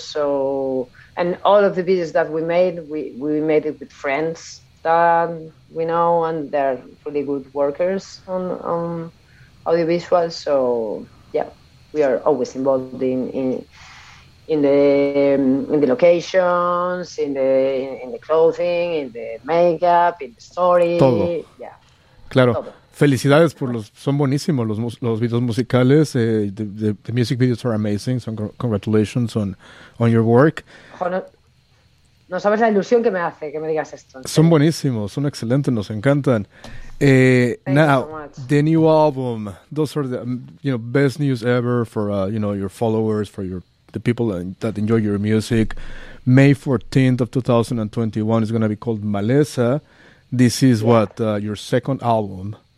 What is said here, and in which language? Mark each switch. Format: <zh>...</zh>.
<en>So, and all of the videos that we made, we made it with friends that we know, and they're really good workers on audiovisual, so yeah, we are always involved in the locations, in the clothing, in the makeup, in the story.</en> <es>Todo.</es> <en>Yeah.</en> <es>Claro. Todo. Felicidades por los, son buenísimos los videos musicales.</es> <en>The music videos are amazing. So congratulations on your work.</en> <es>No sabes la ilusión que me hace que me digas esto. Son buenísimos, son excelentes, nos encantan.</es> <en>The new album, those are the, you know, best news ever for, you know, your followers, for the people that enjoy your music. May 14th of 2021 is going to be called Maleza. This is your second album.</en>